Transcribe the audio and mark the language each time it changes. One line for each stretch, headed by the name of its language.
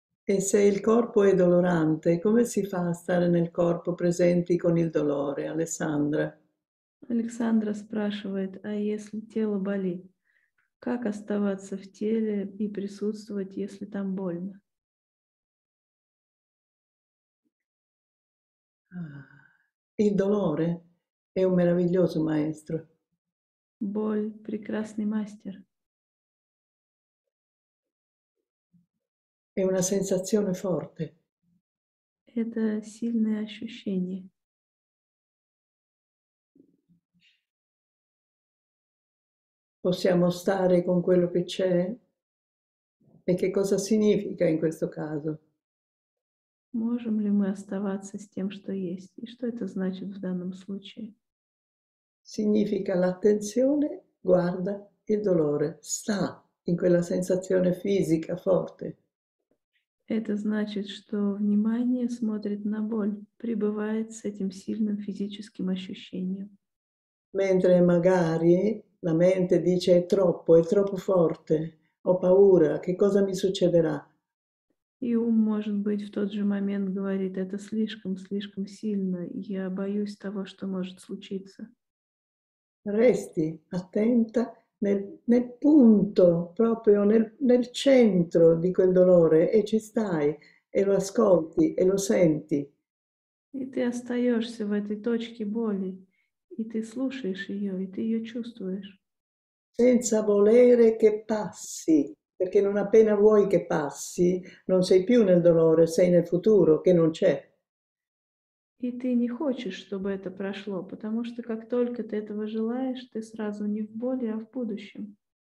Italian: E se il corpo è dolorante, come si fa a stare nel corpo presenti con il dolore, Alessandra?
Russian: Александра спрашивает, а если тело болит, как оставаться в теле и присутствовать, если там больно?
Italian: Il dolore è un meraviglioso maestro.
Russian: Боль – прекрасный мастер.
Italian: È una sensazione forte.
Russian: Это сильное ощущение.
Italian: Possiamo stare con quello che c'è? E che cosa significa in questo caso?
Russian: Можем ли мы оставаться с тем, что есть? И что это значит в данном случае?
Italian: Significa l'attenzione, guarda il dolore, sta in quella sensazione fisica forte.
Russian: Это значит, что внимание смотрит на боль, пребывает с этим сильным физическим ощущением.
Italian: Mentre magari la mente dice è troppo forte, ho paura, che cosa mi succederà?
Russian: И ум, может быть, в тот же момент говорит, это слишком, слишком сильно, я боюсь того, что может случиться.
Italian: Resti attenta nel punto, proprio nel centro di quel dolore e ci stai e lo ascolti e lo senti.
Russian: И ты остаешься в этой точке боли, и ты слушаешь ее, и ты ее чувствуешь.
Italian: Senza volere che passi, perché non appena vuoi che passi, non sei più nel dolore, sei nel futuro, che non c'è.
Russian: И ты не хочешь, чтобы это прошло, потому что как только ты этого желаешь, ты сразу не в боли, а в будущем.